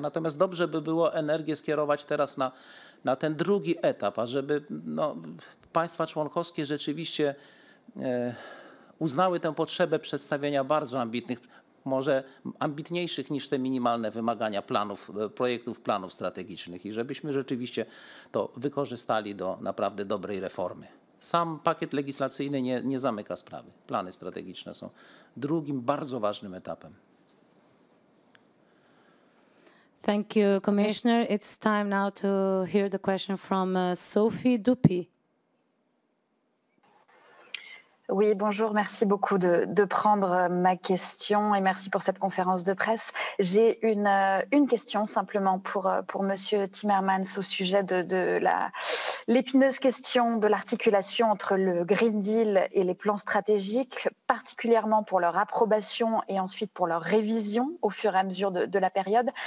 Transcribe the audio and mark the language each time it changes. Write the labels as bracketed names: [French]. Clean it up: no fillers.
[Polish] Natomiast dobrze by było energię skierować teraz na ten drugi etap, ażeby no, państwa członkowskie rzeczywiście uznały tę potrzebę przedstawienia bardzo ambitnych, może ambitniejszych niż te minimalne wymagania planów, projektów planów strategicznych i żebyśmy rzeczywiście to wykorzystali do naprawdę dobrej reformy. Sam pakiet legislacyjny nie zamyka sprawy. Plany strategiczne są drugim bardzo ważnym etapem. [English] Thank you, Commissioner. It's time now to hear the question from Sophie Dupy. [French] Oui, bonjour, merci beaucoup de prendre ma question et merci pour cette conférence de presse. J'ai une question simplement pour Monsieur Timmermans au sujet de l'épineuse question de l'articulation entre le Green Deal et les plans stratégiques, particulièrement pour leur approbation et ensuite pour leur révision au fur et à mesure de la période.